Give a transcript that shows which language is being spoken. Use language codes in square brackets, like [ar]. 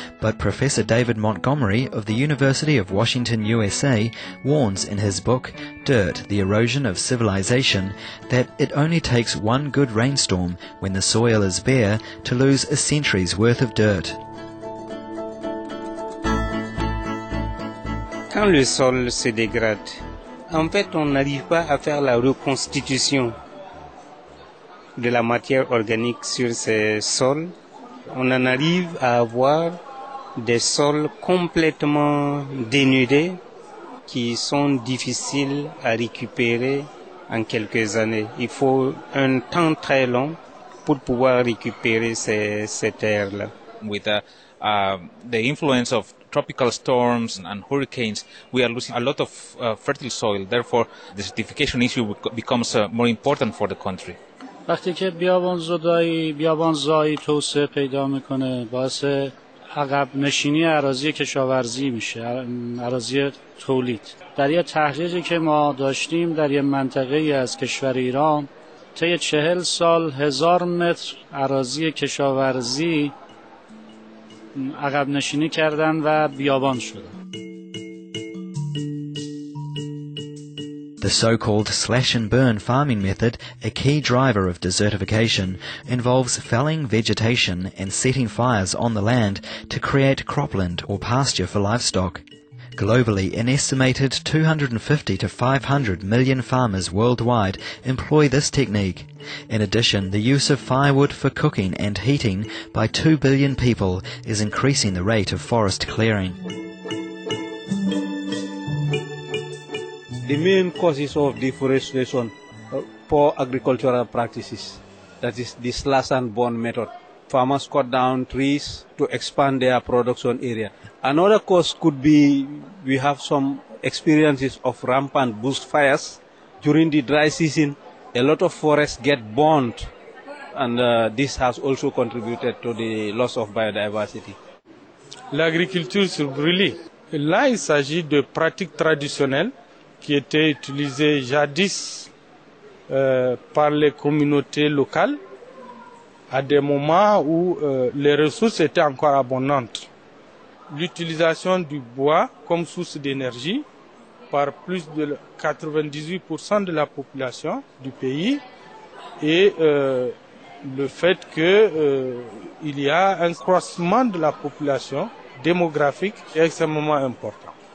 [en] But Professor David Montgomery of the University of Washington, USA, warns in his book, Dirt, the Erosion of Civilization, that it only takes one good rainstorm when the soil is bare to lose a century's worth of dirt. [fr] Quand le sol se dégrade, en fait, on n'arrive pas à faire la reconstitution de la matière organique sur ces sols. On en arrive à avoir des sols complètement dénudés qui sont difficiles à récupérer en quelques années. Il faut un temps très long pour pouvoir récupérer ces terres-là. [en] With the influence of tropical storms and hurricanes, we are losing a lot of fertile soil. Therefore, the desertification issue becomes more important for the country. [fa] وقتی که بیابان زایی توسعه پیدا میکنه، باعث عقب نشینی اراضی کشاورزی میشه، اراضی تولید. در یه تحقیقی که ما داشتیم در یه منطقه از کشور ایران، طی 40 سال 1000 متر اراضی کشاورزی عقب نشینی کردن و بیابان شدن. [en] The so-called slash-and-burn farming method, a key driver of desertification, involves felling vegetation and setting fires on the land to create cropland or pasture for livestock. Globally, an estimated 250 to 500 million farmers worldwide employ this technique. In addition, the use of firewood for cooking and heating by 2 billion people is increasing the rate of forest clearing. The main causes of deforestation are poor agricultural practices, that is the slash and burn method. Farmers cut down trees to expand their production area. Another cause could be we have some experiences of rampant bush fires during the dry season. A lot of forests get burned and this has also contributed to the loss of biodiversity. [fr] L'agriculture sur brûlé. Là, il s'agit de pratiques traditionnelles qui étaient utilisées jadis par les communautés locales à des moments où les ressources étaient encore abondantes. L'utilisation du bois comme source d'énergie par plus de 98% de la population du pays et le fait que il y a un croissement de la population démographique est extrêmement important.